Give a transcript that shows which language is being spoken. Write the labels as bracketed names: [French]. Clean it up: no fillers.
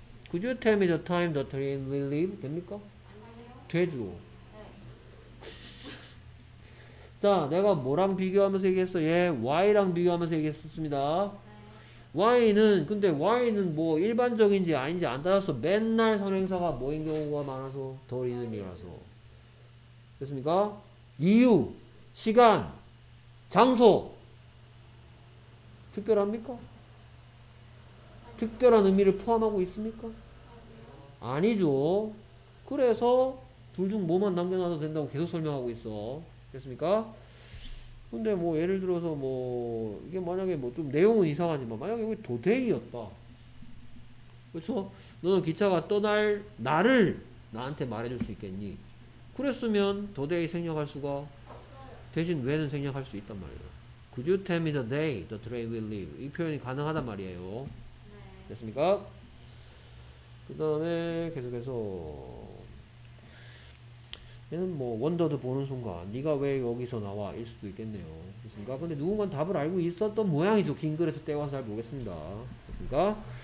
[English] Could you tell me the time the train will leave? [Korean] 됩니까? 안녕하세요. 되죠. 네. 자, 내가 뭐랑 비교하면서 얘기했어? 얘 why랑 비교하면서 얘기했었습니다. 네. why는 근데 why는 뭐 일반적인지 아닌지 안 따졌어. 맨날 선행사가 뭐인 경우가 많아서 the reason이라서 됐습니까? 이유, 시간, 장소. 특별합니까? 특별한 의미를 포함하고 있습니까? 아니죠. 그래서 둘 중 뭐만 남겨놔도 된다고 계속 설명하고 있어. 됐습니까? 근데 뭐 예를 들어서 뭐 이게 만약에 뭐 좀 내용은 이상하지만 만약에 여기 도대기였다. 그렇죠? 너는 기차가 떠날 날을 나한테 말해줄 수 있겠니? 그랬으면 도대기 생략할 수가 대신 왜는 생략할 수 있단 말이에요. [English] Could you tell me the day the train will leave? [Korean] 이 표현이 가능하단 말이에요. 됐습니까? 그 다음에 계속해서 얘는 뭐 원더드 보는 순간 네가 왜 여기서 나와? 일 수도 있겠네요. 됐습니까? 근데 누군가는 답을 알고 있었던 모양이죠. 긴 글에서 떼와서 잘 모르겠습니다. 됐습니까?